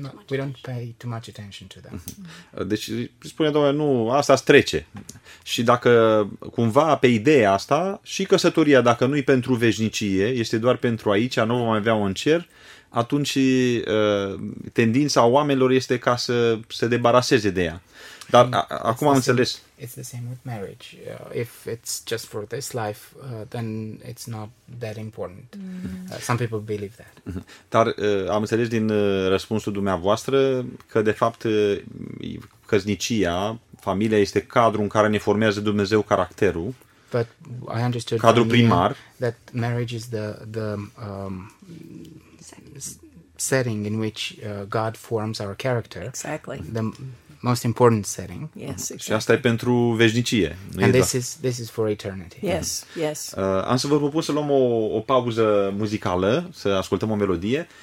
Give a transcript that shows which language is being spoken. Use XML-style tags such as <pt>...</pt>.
<en>We don't pay too much attention to them.</en> <ro>Deci spune Domnul, nu, asta trece. Și dacă cumva pe ideea asta și căsătoria, dacă nu e pentru veșnicie, este doar pentru aici, nu vom mai avea un cer, atunci tendința oamenilor este ca să se debaraseze de ea. Dar acum am înțeles.</ro> <en>It's the same with marriage. If it's just for this life, then it's not that important. Some people believe that.</en> <ro>Dar am înțeles din răspunsul dumneavoastră că de fapt căsnicia, familia este cadrul în care ne formează Dumnezeu caracterul.</ro> <en>But I understood</en> <ro>cadrul primar.</ro> <en>That marriage is the setting in which God forms our character. Exactly. The most important setting. Yes. Exactly.</en> <ro>Și asta e pentru veșnicie.</ro> <en>And this is for eternity. Yes. Yes.</en> <ro>Am să vă propun să luăm o pauză muzicală, să ascultăm o melodie.</ro>